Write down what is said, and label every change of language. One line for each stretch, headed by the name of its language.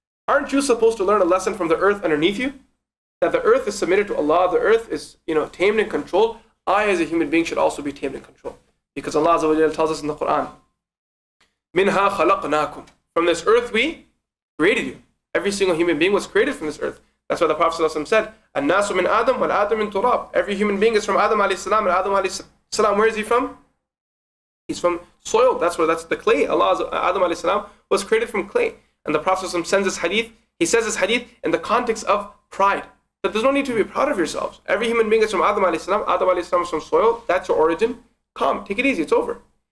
English: Aren't you supposed to learn a lesson from the earth underneath you? That the earth is submitted to Allah, the earth is, you know, tamed and controlled. I, as a human being, should also be tamed and controlled. Because Allah Azza wa Jalla tells us in the Quran,
Arabic: مِنْهَا خَلَقْنَاكُمْ.
English: From this earth we created you. Every single human being was created from this earth. That's why the Prophet said,
Arabic: النَّاسُ مِنْ آدَمْ وَالْآدَمْ مِنْ تُرَابْ.
English: Every human being is from Adam alayhi salam. And Adam alayhi salam, where is he from? He's from soil. That's the clay. Allah, Adam alayhi salam, was created from clay. And the Prophet sends this hadith. He says this hadith in the context of pride. That there's no need to be proud of yourselves. Every human being is from Adam alayhi salam. Adam alayhi salam is from soil. That's your origin. Come, take it easy. It's over.